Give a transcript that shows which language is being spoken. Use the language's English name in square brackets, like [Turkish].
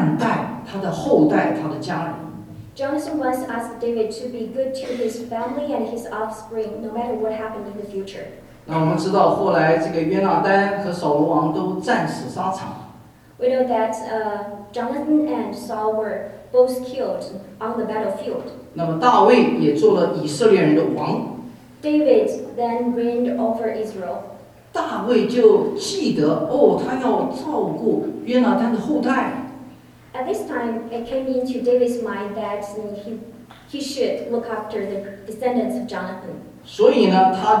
[Chinese] 就是将来无论如何，要大卫一定要好好的善待他的后代，他的家人。 [English] Jonathan once asked David to be good to his family and his offspring, no matter what happened in the future. [Chinese] 那我们知道后来这个约纳丹和扫罗王都战死沙场。 [English] We know that Jonathan and Saul were both killed on the battlefield. [Chinese] 那么大卫也做了以色列人的王。 [English] David then reigned over Israel. [Chinese] 大卫就记得，哦，他要照顾约纳丹的后代。 [English] At this time, it came into David's mind that he should look after the descendants of Jonathan.